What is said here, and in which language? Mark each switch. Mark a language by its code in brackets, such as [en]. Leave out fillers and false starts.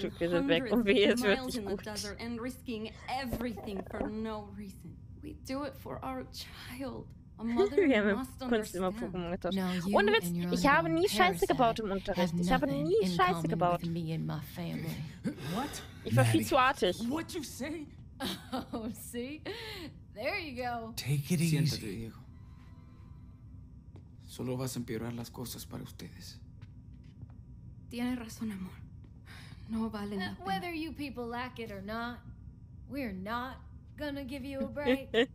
[en] hundreds of miles in the desert and risking everything for no reason. We do it for our child. [de] Wir haben Kunst immer Pokémon getauscht. Ohne Witz, ich habe nie Scheiße gebaut im Unterricht. Ich habe nie Scheiße gebaut. Ich war viel zu artig. [en] Oh, see? There you go. Take it easy. [es] Siéntate, Diego. Solo vas a empeorar las cosas para ustedes. Tienes razón, amor. No vale la pena. [en] Whether you people lack it or not, we're not gonna give you a break.